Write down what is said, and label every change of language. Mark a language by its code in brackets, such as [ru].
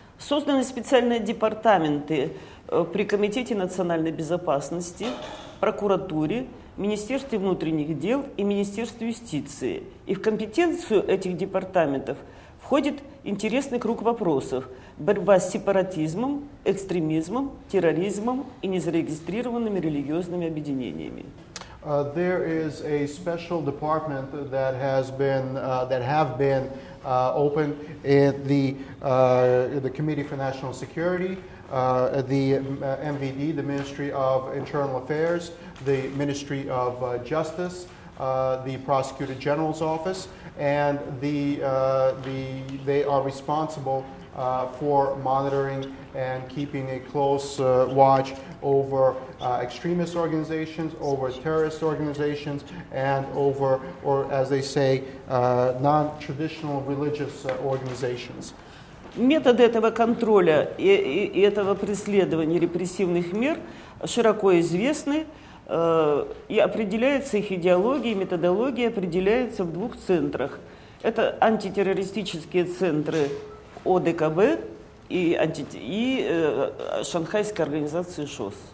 [ru] Созданы специальные департаменты при Комитете национальной безопасности, прокуратуре, Министерстве внутренних дел и Министерстве юстиции. И в компетенцию этих департаментов входит интересный круг вопросов: борьба с сепаратизмом, экстремизмом, терроризмом и незарегистрированными религиозными объединениями. [en] There is a special department that has been that have been opened at the Committee for National Security, the MVD, the Ministry of Internal Affairs, the Ministry of Justice, the Prosecutor General's Office, and they are responsible for monitoring and keeping a close watch over extremist organizations, over terrorist organizations, and over, or as they say, non-traditional religious organizations. [ru] Методы этого контроля и этого преследования репрессивных мер широко известны и определяются их идеологией, методологией определяются в двух центрах. Это антитеррористические центры ОДКБ и Шанхайской организации ШОС.